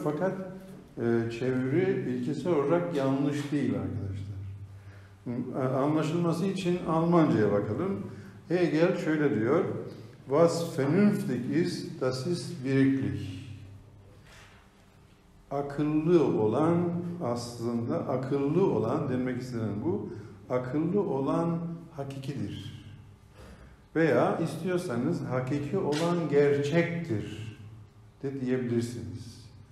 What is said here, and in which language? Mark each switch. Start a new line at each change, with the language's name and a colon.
Turkish: Fakat çeviri ilkesel olarak yanlış değil arkadaşlar. Anlaşılması için Almanca'ya bakalım. Hegel şöyle diyor.
German: Was vernünftig ist, das ist wirklich.
Turkish: Akıllı olan, aslında akıllı olan demek istenen bu, akıllı olan hakikidir. Veya istiyorsanız hakiki olan gerçektir de diyebilirsiniz.